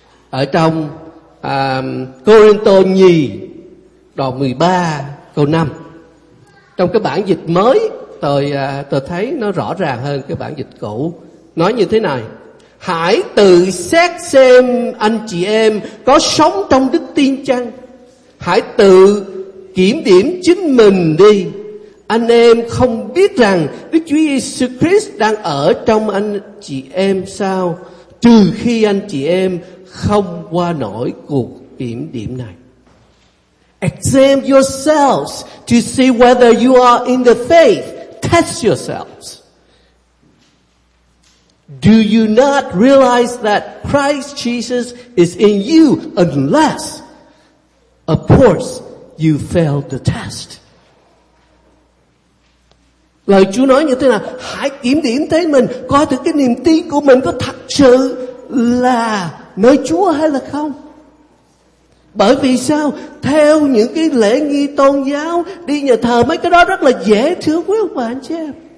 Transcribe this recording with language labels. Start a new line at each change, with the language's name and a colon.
Vietnamese: Ở trong Corinto nhì đoạn 13 câu 5, trong cái bản dịch mới tôi thấy nó rõ ràng hơn cái bản dịch cũ, nói như thế này: hãy tự xét xem anh chị em có sống trong đức tin chăng, hãy tự kiểm điểm chính mình đi. Anh em không biết rằng Đức Chúa Jesus Christ đang ở trong anh chị em sao, trừ khi anh chị em không qua nổi cuộc kiểm điểm này.
English: Examine yourselves to see whether you are in the faith. Test yourselves. Do you not realize that Christ Jesus is in you unless, of course, you fail the test?
Vietnamese: Lời Chúa nói như thế nào? Hãy kiểm điểm thấy mình, coi thử cái niềm tin của mình có thật sự là nơi Chúa hay là không. Bởi vì sao? Theo những cái lễ nghi tôn giáo, đi nhà thờ mấy cái đó rất là dễ thưa quý ông bà anh chị em.